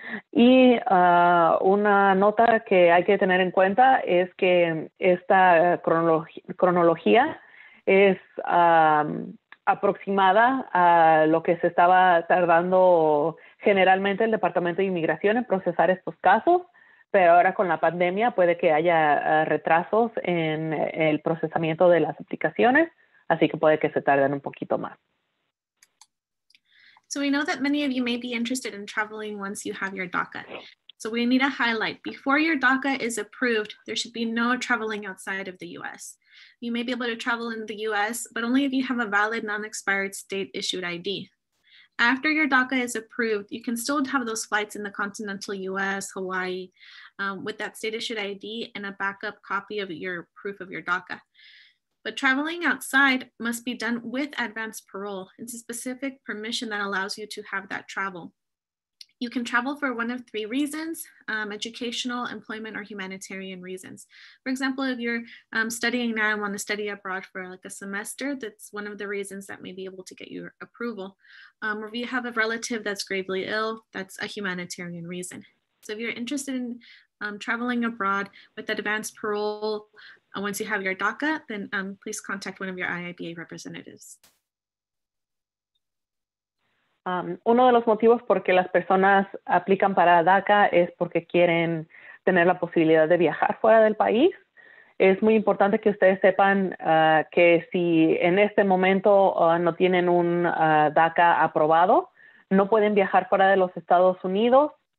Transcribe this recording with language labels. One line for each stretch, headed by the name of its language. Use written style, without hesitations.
Spanish: Y una nota que hay que tener en cuenta es que esta cronología es aproximada a lo que se estaba tardando generalmente el Departamento de Inmigración en procesar estos casos, pero ahora con la pandemia puede que haya retrasos en el procesamiento de las aplicaciones. Así que puede que se tarden un poquito más.
English: So we know that many of you may be interested in traveling once you have your DACA. So we need to highlight, before your DACA is approved, there should be no traveling outside of the US. You may be able to travel in the US, but only if you have a valid non-expired state issued ID. After your DACA is approved, you can still have those flights in the continental US, Hawaii, with that state issued ID and a backup copy of your proof of your DACA. But traveling outside must be done with advanced parole. It's a specific permission that allows you to have that travel. You can travel for one of 3 reasons, educational, employment, or humanitarian reasons. For example, if you're studying now and want to study abroad for like a semester, that's one of the reasons that may be able to get your approval. Or if you have a relative that's gravely ill, that's a humanitarian reason. So if you're interested in traveling abroad with advanced parole, and once you have your DACA, then please contact one of your IIBA representatives.
Spanish: Uno de los motivos por que las personas aplican para DACA es porque quieren tener la posibilidad de viajar fuera del país. Es muy importante que ustedes sepan que si en este momento no tienen un DACA aprobado, no pueden viajar fuera de los Estados Unidos.